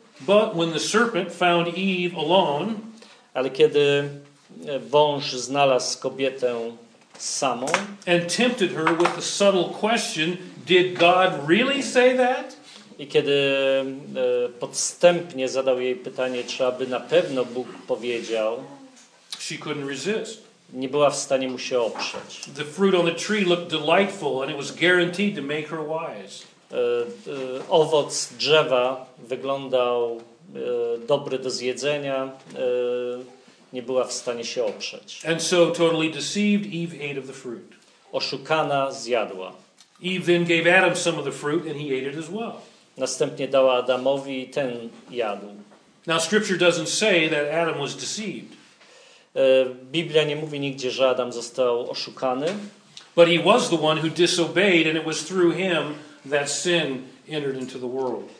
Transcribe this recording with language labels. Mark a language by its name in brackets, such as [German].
[English] But when the serpent found Eve alone, [Polish] ale kiedy wąż znalazł kobietę samą, [English] and tempted her with the subtle question, did God really say that? [Polish] I kiedy podstępnie zadał jej pytanie, czy aby na pewno Bóg powiedział, [English] she couldn't resist. [Polish] Nie była w stanie mu się oprzeć. [English] The fruit on the tree looked delightful and it was guaranteed to make her wise. [Polish] Owoc drzewa wyglądał dobry do zjedzenia, nie była w stanie się oprzeć. [English] And so, totally deceived, Eve ate of the fruit. [Polish] Oszukana zjadła. [English] Eve then gave Adam some of the fruit and he ate it as well. [Polish] Następnie dała Adamowi i ten jadł. [English] Now scripture doesn't say that Adam was deceived. [Polish] Biblia nie mówi nigdzie, że Adam został oszukany. [English] But he was the one who disobeyed and it was through him that sin entered into the world.